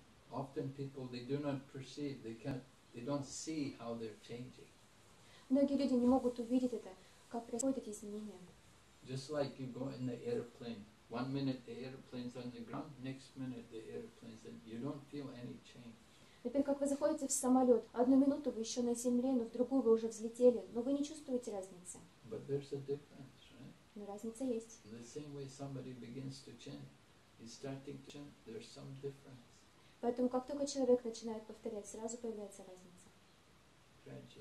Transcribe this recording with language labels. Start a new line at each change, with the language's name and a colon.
English: Often people they do not perceive, they don't see how they're changing.
Russian: Многие люди не могут увидеть это, как происходят изменения.
English: Just like you go in the airplane, one minute the airplane's on the ground, next minute the airplane's in, you don't feel any change.
Russian: Например, как вы заходите в самолет, одну минуту вы еще на земле, но в другую вы уже взлетели, но вы не чувствуете разницы.
English: But there's a difference, right?
Russian: Но разница есть.
English: The same way somebody begins to chant, he's starting to chant, there's some difference.
Russian: Поэтому, как только человек начинает повторять, сразу появляется разница.